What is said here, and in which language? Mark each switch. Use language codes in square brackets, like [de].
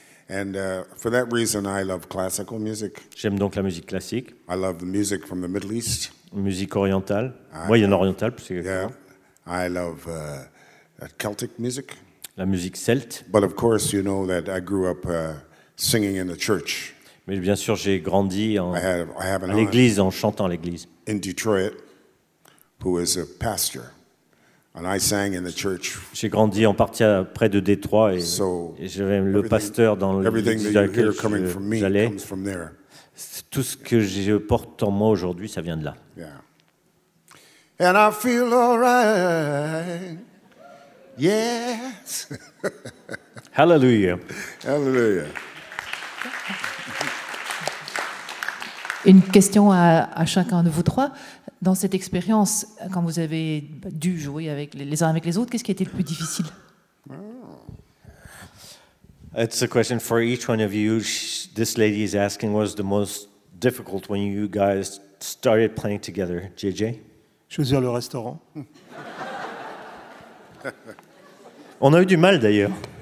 [en] And for that reason, I love classical music. [fr] J'aime donc la musique classique. [en] I love the music from the Middle East. [fr] Musique orientale. Moyen-Orientale, parce que. [en] Yeah. I love Celtic music. [fr] La musique celte. [en] But of course, you know that I grew up singing in the church. [fr] Mais bien sûr, j'ai grandi à l'église, en chantant à l'église. [en] In Detroit, who is a pastor. And I sang in the church. [fr] J'ai grandi en partie près de Détroit et, so, et j'avais le pasteur dans l'église à laquelle j'allais. Tout ce que je porte en moi aujourd'hui, ça vient de là. [en] Yeah. And I feel all right. Yes. Hallelujah. Hallelujah. [fr] Une question à chacun de vous trois. Dans cette expérience, quand vous avez dû jouer avec les uns avec les autres, qu'est-ce qui a été le plus difficile? [en] It's a question for each one of you. This lady is asking, what was the most difficult when you guys started playing together? JJ? [fr] Choisir le restaurant. On a eu du mal d'ailleurs.